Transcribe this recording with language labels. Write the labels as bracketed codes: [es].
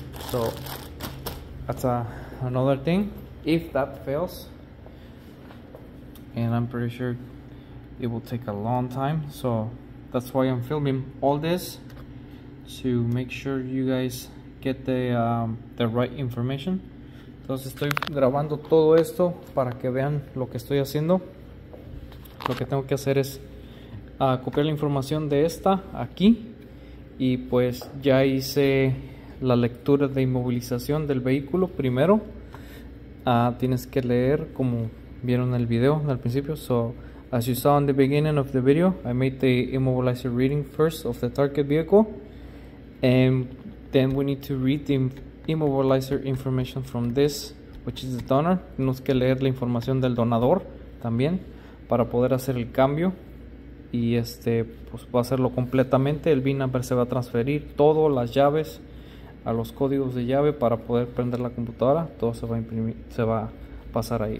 [en] So that's another thing. If that fails, and I'm pretty sure it will take a long time, so that's why I'm filming all this, to make sure you guys get the right information. [es] Entonces estoy grabando todo esto para que vean lo que estoy haciendo. Lo que tengo que hacer es copiar la información de esta aquí, y pues ya hice la lectura de inmovilización del vehículo primero. Tienes que leer como vieron en el video al principio. [en] So as you saw in the beginning of the video, I made the immobilizer reading first of the target vehicle, and then we need to read the immobilizer information from this, which is the donor. [es] Tenemos que leer la información del donador también para poder hacer el cambio, y este pues va a hacerlo completamente. El VIN number se va a transferir, todo, las llaves, a los códigos de llave para poder prender la computadora, todo se va a imprimir, se va a pasar ahí.